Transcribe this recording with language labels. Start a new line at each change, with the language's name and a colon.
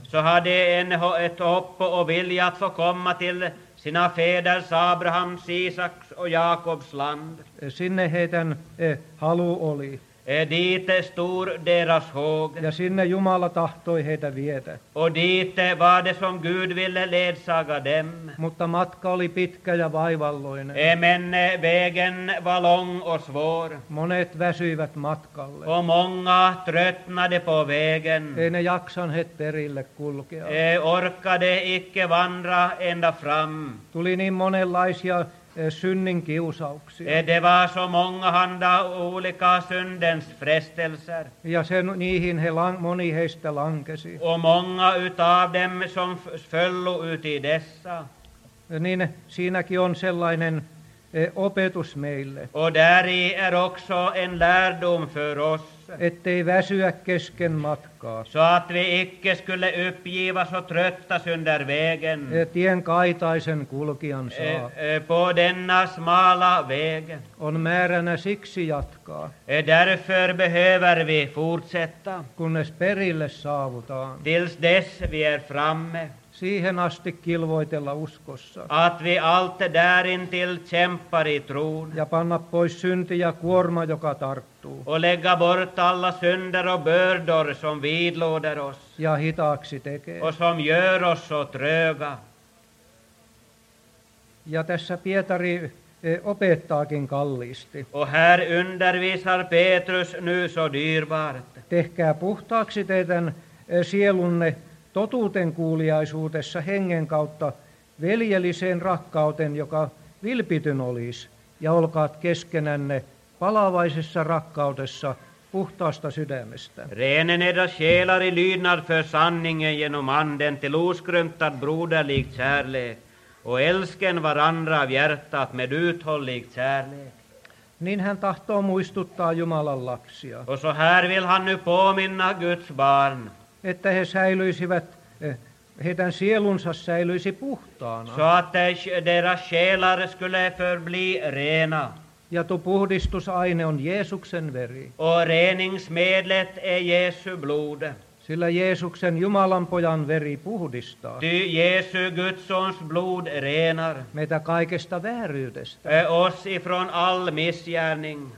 Swedish: Så hade en ett hopp och vilja att få komma till sina fäders Abrahams, Isaks och Jakobs land.
Finnish: Sinne heidän halu oli.
Swedish: Dit stor deras håg.
Finnish: Ja sinne Jumala tahtoi heitä vietä.
Swedish: Och dit var det som Gud ville ledsaga dem.
Finnish: Mutta matka oli pitkä ja vaivalloinen.
Swedish: Men vägen var lång och svår.
Finnish: Monet väsyivät matkalle.
Swedish: Och många tröttnade på vägen.
Finnish: Ei ne jaksanneet perille kulkea.
Swedish: Orkade icke vandra ända fram.
Finnish: Tuli niin monenlaisia synnin kiusauksia.
Swedish: Det var så många handa olika syndens frestelser.
Finnish: Ja sen niihin moni heistä lankesi.
Swedish: Och många utav dem som föllu ut i dessa.
Finnish: Niin siinäkin on sellainen opetus meille.
Swedish: Och däri är också en lärdom för oss.
Finnish: Ettei väsyä kesken matkaa.
Swedish: Så att vi icke skulle uppgivas och tröttas under vägen.
Finnish: Tien kaitaisen kulkijan saa.
Swedish: På denna smala väg.
Finnish: On määränä siksi jatkaa.
Swedish: Därför behöver vi fortsätta.
Finnish: Kunnes perille saavutaan.
Swedish: Tills dess vi är framme.
Finnish: Siihen asti kilvoitella uskossa.
Swedish: Att vi allt därintill kämpar i tron.
Finnish: Ja panna pois synti ja kuorma, joka tarttuu.
Swedish: Och lägga bort alla synder och bördor som vidlåder oss.
Finnish: Ja hitaaksi tekee.
Swedish: Och som gör oss så tröga.
Finnish: Ja tässä Pietari opettaakin kalliisti.
Swedish: Och här undervisar Petrus nu så dyrbart.
Finnish: Tehkää puhtaaksi teidän sielunne totuuden kuuliaisuudessa hengen kautta veljelliseen rakkauteen, joka vilpityn olisi, ja olkaat keskenänne palavaisessa rakkaudessa puhtaasta sydämestä.
Swedish: Renen edas själar i lydnad för sanningen genom anden till oskrymtad broderlig kärlek, och älsken varandra av hjärtat med uthållig kärlek.
Finnish: Niin hän tahtoo muistuttaa Jumalan lapsia.
Swedish: Och så här vill han nu påminna Guds barn.
Finnish: Että he säilyisivät heidän sielunsa säilyisi puhtaana.
Swedish: Så att deras själar skulle förbli rena.
Finnish: Ja tuo puhdistusaine on Jeesuksen veri.
Swedish: Och reningsmedlet är Jesu blod.
Finnish: Sillä Jeesuksen Jumalanpojan veri puhdistaa.
Swedish: Ty Jesu Gudsons blod renar.
Finnish: Meitä kaikesta vääryydestä.
Swedish: Oss ifrån all missgärning.